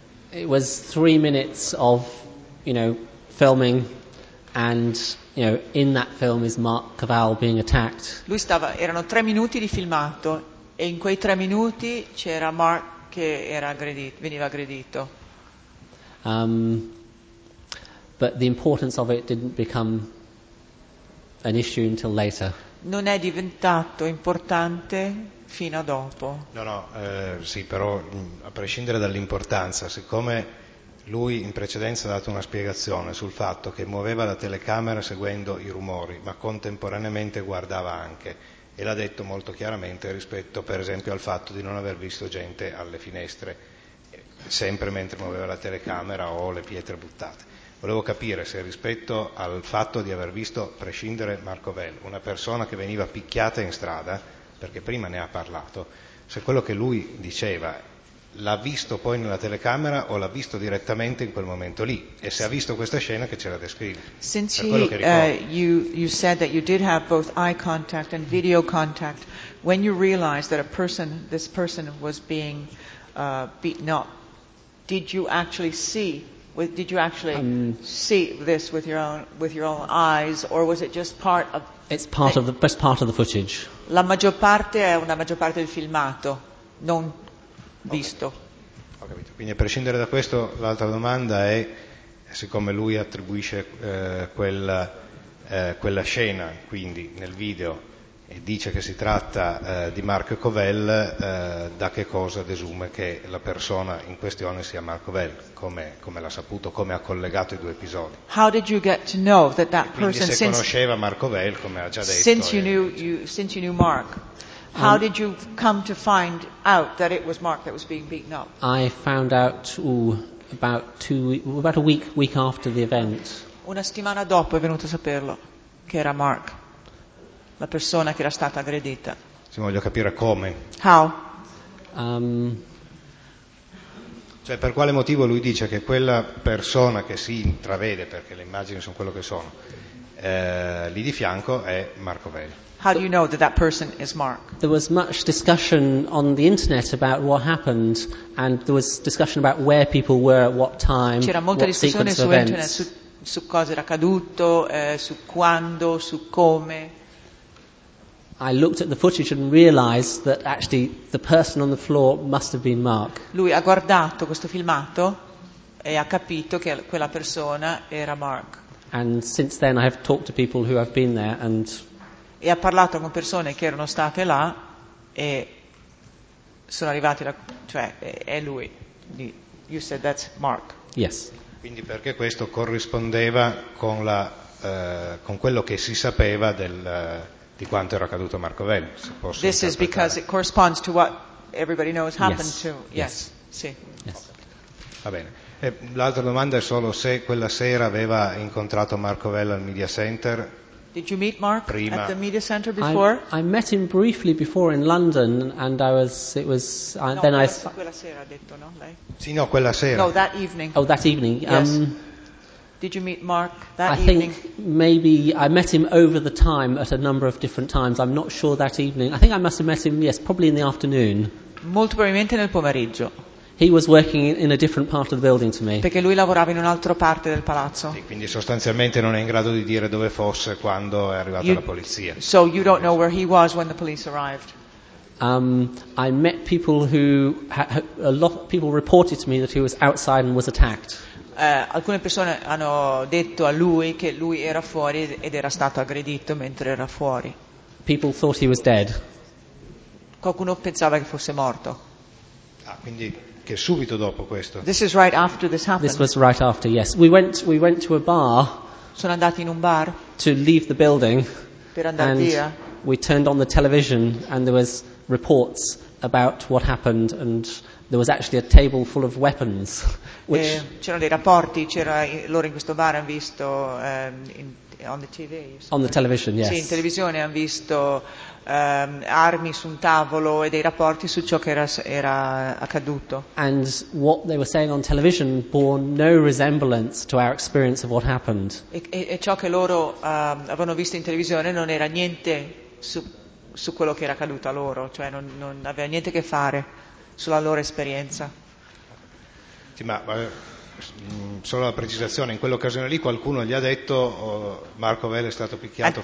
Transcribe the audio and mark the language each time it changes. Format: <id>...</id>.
<en>It was 3 minutes of, you know, filming, and you know, in that film is Mark Cavall being attacked.</en> <it>Lui stava, erano 3 minuti di filmato, e in quei 3 minuti c'era Mark che era aggredito, veniva aggredito.</it> <en>But the importance of it didn't become an issue until later.</en> <it>Non è diventato importante fino a dopo. No, sì, però a prescindere dall'importanza, siccome lui in precedenza ha dato una spiegazione sul fatto che muoveva la telecamera seguendo i rumori, ma contemporaneamente guardava anche, e l'ha detto molto chiaramente rispetto, per esempio, al fatto di non aver visto gente alle finestre, sempre mentre muoveva la telecamera o le pietre buttate. Volevo capire se rispetto al fatto di aver visto, prescindere Marco Velle, una persona che veniva picchiata in strada, perché prima ne ha parlato, se quello che lui diceva l'ha visto poi nella telecamera o l'ha visto direttamente in quel momento lì, e se ha visto questa scena che ce la descrive.</it> <en>Since he, you said that you did have both eye contact and video contact, when you realized that this person was being beaten up, did you actually see? Did you actually see this with your own eyes, or was it just part of? It's part of the best part of the footage.</en> <it>La maggior parte è una maggior parte del filmato, non visto. Okay. Ho capito. Quindi, a prescindere da questo, l'altra domanda è: siccome lui attribuisce quella scena, quindi nel video, e dice che si tratta di Marco Cavall, da che cosa desume che la persona in questione sia Marco Cavall? Come l'ha saputo, come ha collegato i due episodi?</it> <en>How did you get to know that person,</en> <it>se conosceva Marco Cavall, come ha già detto,</it> <en>since you knew Mark, how did you come to find out that it was Mark that was being beaten up? I found out about a week after the event.</en> <it>Una settimana dopo è venuto a saperlo che era Mark la persona che era stata aggredita. Sì, voglio capire come.</it> <en>How?</en> <it>Cioè, per quale motivo lui dice che quella persona che si intravede, perché le immagini sono quello che sono, lì di fianco è Marco Velle.</it> <en>How do you know that person is Mark? There was much discussion on the internet about what happened, and there was discussion about where people were at what time.</en> <it>C'era molta discussione su internet su cosa era accaduto, su quando, su come.</it> <en>I looked at the footage and realized that actually the person on the floor must have been Mark.</en> <it>Lui ha guardato questo filmato e ha capito che quella persona era Mark.</it> <en>And since then I have talked to people who have been there and</en> <it>e ha parlato con persone che erano state là e sono arrivati è lui.</it> <en>You said that's Mark. Yes.</en> <it>Quindi perché questo corrispondeva con quello che si sapeva del di quanto era accaduto a Marco Velli, se posso.</it> <en>This is because it corresponds to what everybody knows happened to. Yes.</en> <it>Sì.</it> <en>Yes.</en> <it>Va bene. E l'altra domanda è solo se quella sera aveva incontrato Marco Velli al Media Center.</it> <en>Did you meet Mark</en> <it>prima</it> <en>at the Media Center before? I met him briefly before in London, and I was. It was. No, then</en> <it>quella,</it> <en>I.</en> <it>Quella sera, ha detto, no, lei? Sì, no, quella sera.</it> <en>No, that evening. Oh, that evening. Yes. Did you meet Mark that I evening? I think maybe I met him over the time at a number of different times. I'm not sure that evening. I think I must have met him. Yes, probably in the afternoon.</en> <it>Molto probabilmente nel pomeriggio.</it> <en>He was working in a different part of the building to me.</en> <it>Perché lui lavorava in un'altra parte del palazzo. Sì, quindi sostanzialmente non è in grado di dire dove fosse quando è arrivata la polizia.</it> <en>So you don't know where he was when the police arrived. I met people who a lot of people reported to me that he was outside and was attacked.</en> <it>Alcune persone hanno detto a lui che lui era fuori ed era stato aggredito mentre era fuori.</it> <en>People thought he was dead.</en> <it>Qualcuno pensava che fosse morto. Ah, quindi che subito dopo questo.</it> <en>This is right after this happened. This was right after, yes. We went to a bar.</en> <it>Sono andati in un bar.</it> <en>To leave the building.</en> <it>Per andare</it> <en>and</en> <it>via.</it> <en>We turned on the television and there was reports about what happened and there was actually a table full of weapons. Which</en> <it>c'erano dei rapporti, c'era loro in questo bar hanno visto</it> <en>on the TV. On the television, yes.</en> <it>Sì, in televisione hanno visto armi su un tavolo e dei rapporti su ciò che era accaduto.</it> <en>And what they were saying on television bore no resemblance to our experience of what happened.</en> <it>E ciò che loro avevano visto in televisione non era niente su quello che era accaduto a loro, cioè non aveva niente a che fare sulla loro esperienza. Sì, ma solo una precisazione, in quell'occasione lì qualcuno gli ha detto Marco Velli è stato picchiato</it>